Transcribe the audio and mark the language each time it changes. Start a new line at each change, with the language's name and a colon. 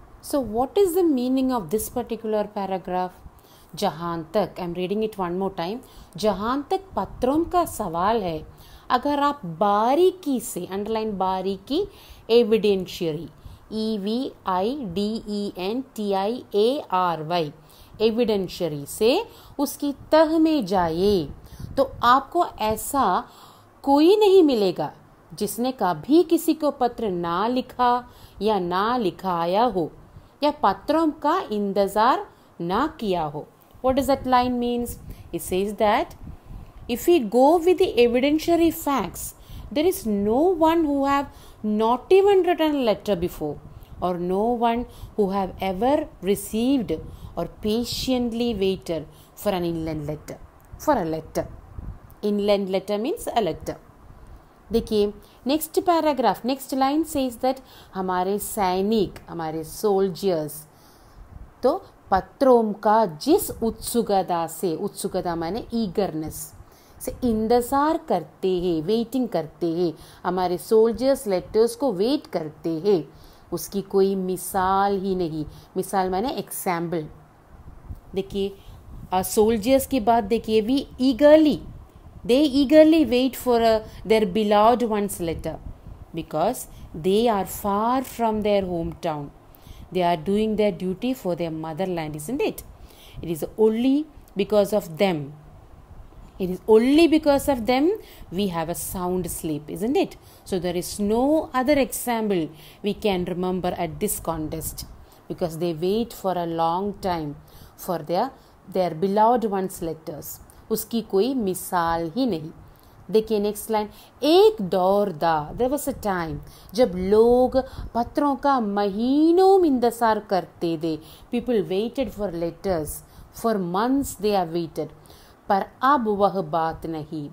English: So what is the meaning of this particular paragraph?
Hindi: जहां तक,
English: I am reading it one more time,
Hindi: जहां तक पत्रों का सवाल है, अगर आप बारीकी से, अंडरलाइन बारीकी, एविडेंशियरी, EVIDENTIARY, एविडेंशियरी से उसकी तह में जाए तो आपको ऐसा कोई नहीं मिलेगा जिसने कभी किसी को पत्र ना लिखा या ना लिखाया हो, या पत्रों का इंतजार ना किया हो।
English: What does that line means? It says that if we go with the evidentiary facts, there is no one who have not even written a letter before, or no one who have ever received or patiently waited for an inland letter. Inland letter means a letter.
Hindi: देखिए,
English: next paragraph, next line says that
Hindi: हमारे सैनिक, हमारे soldiers, तो पत्रों का जिस उत्सुकता से, उत्सुकता माने ईगरनेस से इंतजार करते हैं, वेटिंग करते हैं, हमारे सोल्जर्स लेटर्स को वेट करते हैं, उसकी कोई मिसाल ही नहीं। मिसाल माने एग्जाम्पल। देखिए सोल्जर्स की बात, देखिए
English: We eagerly, they eagerly wait for their beloved ones letter because they are far from their home town. They are doing their duty for their motherland, isn't it? It is only because of them. It is only because of them we have a sound sleep, isn't it? So there is no other example we can remember at this contest, because they wait for a long time for their beloved one's letters.
Hindi: Uski koi misal hi nahi. देखिए next line, एक दौर था,
English: there was a time,
Hindi: जब लोग पत्रों का महीनों में इंतजार करते थे।
English: people waited for letters, for months they are waited,
Hindi: पर अब वह बात नहीं।